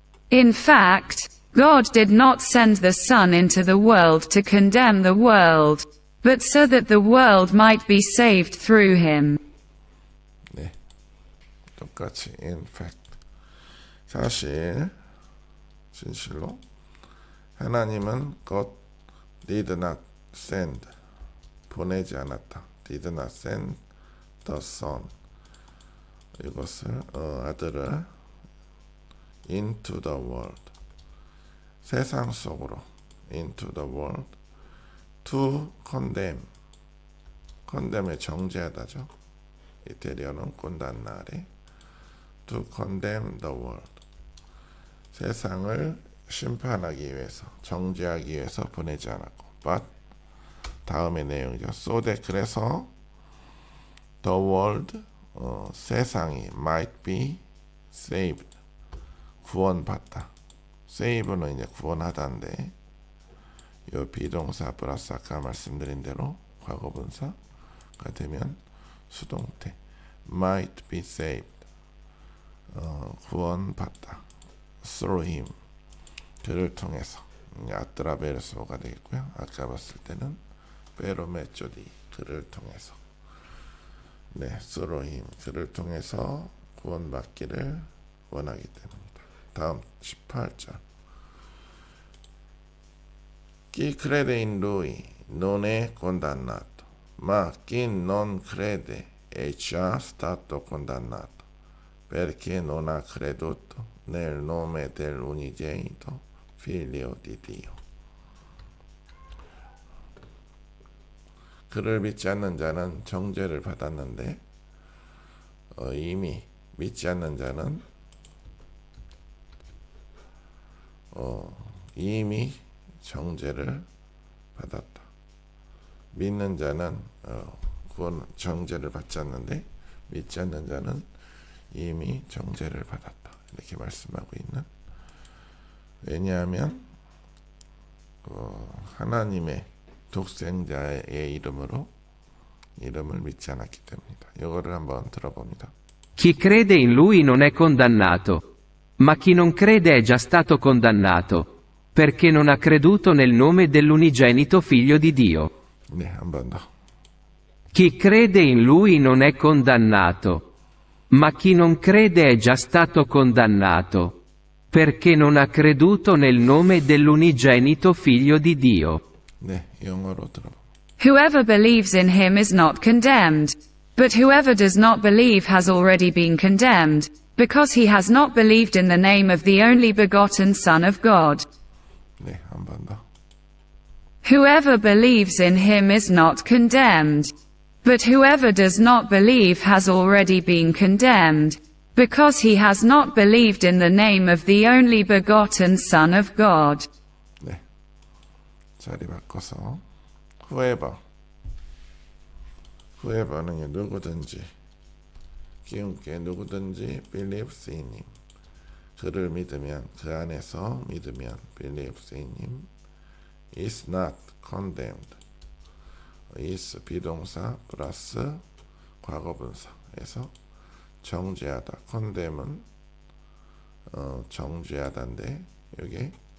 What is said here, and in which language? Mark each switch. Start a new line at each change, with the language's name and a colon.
English: In fact, God did not send the Son into the world to condemn the world, but so that the world might be saved through him.
Korean: 네, 똑같이
English: in fact.
Korean: 사실, 진실로 하나님은
English: God did not send
Korean: 보내지 않았다.
English: Did not send the Son
Korean: 이것을 아들을
English: into the world.
Korean: 세상 속으로
English: into the world to condemn condemned
Korean: 정죄하다죠. 이태리어는 condannare.
English: To condemn the world.
Korean: 세상을 심판하기 위해서, 정죄하기 위해서 보내지 않았고. But 다음의 내용이죠.
English: So that
Korean: 그래서
English: the world
Korean: 세상이
English: might be saved.
Korean: 구원받다. Save는 이제 구원하다인데 이 비동사 플러스 아까 말씀드린 대로 과거분사가 되면 수동태
English: might be saved
Korean: 구원받다
English: through him
Korean: 그를 통해서 아트라베르스가 되겠고요 아까 봤을 때는 페로메초디 그를 통해서 네 through him 그를 통해서 구원받기를 원하기 때문입니다 다음 18절
Italian: Chi crede in lui non è condannato, ma chi non crede è già stato condannato, perché non ha creduto nel nome dell'unigenito figlio di Dio.
Korean: 그를 믿지 않는 자는 정죄를 받았는데 이미 믿지 않는 자는 이미 정죄를 받았다. 믿는 자는 구원 정죄를 받지 않는데 믿지 않는 자는 이미 정죄를 받았다. 이렇게 말씀하고 있는. 왜냐하면 하나님의 독생자의 이름으로 이름을 믿지 않았기 때문이다. 이거를 한번 들어봅니다.
Italian: Chi crede in lui non è condannato, ma chi non crede è già stato condannato. Perché non ha creduto nel nome dell'unigenito figlio di Dio. Ne abbandono. Chi crede in lui non è condannato. Ma chi non crede è già stato condannato. Perché non ha creduto nel nome dell'unigenito figlio di Dio. Ne, io non lo trovo.
English: Whoever believes in him is not condemned. But whoever does not believe has already been condemned. Because he has not believed in the name of the only begotten Son of God.
Korean: 네, 한 번 더.
English: Whoever believes in him is not condemned. But whoever does not believe has already been condemned. Because he has not believed in the name of the only begotten Son of God.
Korean: 네. 자리 바꿔서. Whoever. Whoever는 누구든지. 기운께 누구든지
English: believes in him.
Korean: 그를 믿으면 그 안에서 믿으면
English: believes in him is not condemned
Korean: is 비동사 플러스 과거분사에서 정죄하다 condemn은 정죄하다인데 여기